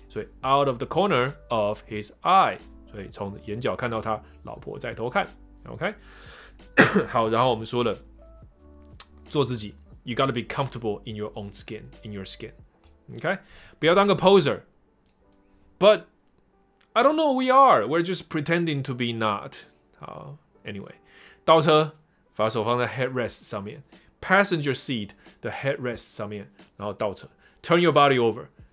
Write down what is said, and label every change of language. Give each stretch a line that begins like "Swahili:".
English: 所以 out of the corner of his eye.
Chinese: 所以从眼角看到他老婆在偷看。
English: OK?
Chinese: 好，然后我们说了，做自己。
English: You gotta be comfortable in your own skin, in your skin. OK?
Chinese: 不要当个 poser.
English: But I don't know who we are. We're just pretending to be not. 好 ,anyway.
Chinese: 倒车，把手放在 headrest 上面。
English: Passenger seat, the headrest
Chinese: 上面，然后倒车。
English: Turn your body over.